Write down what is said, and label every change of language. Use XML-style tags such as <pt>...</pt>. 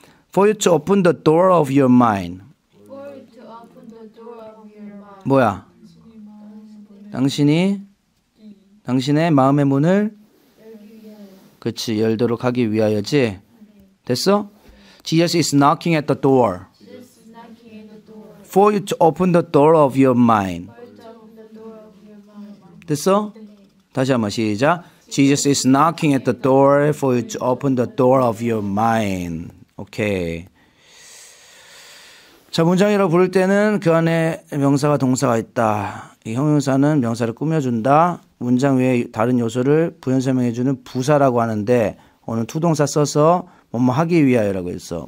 <en>For you to open the door of your mind. For you to open the door of your mind.</en> <ko>뭐야? 당신이 당신의 마음의 문을 그렇지 열도록 하기 위하여지. 됐어?</ko> <en>Jesus is knocking at the door. For you to open the door of your mind.</en> <ko>됐어? 다시 한번 시작.</ko> <en>Jesus is knocking at the door for you to open the door of your mind.</en> <ko>오케이. 자, 문장이라고 부를 때는 그 안에 명사가 동사가 있다. 이 형용사는 명사를 꾸며준다. 문장 외에 다른 요소를 부연 설명해주는 부사라고 하는데 오늘 투동사 써서 뭐뭐 하기 위하여라고 했어.</ko>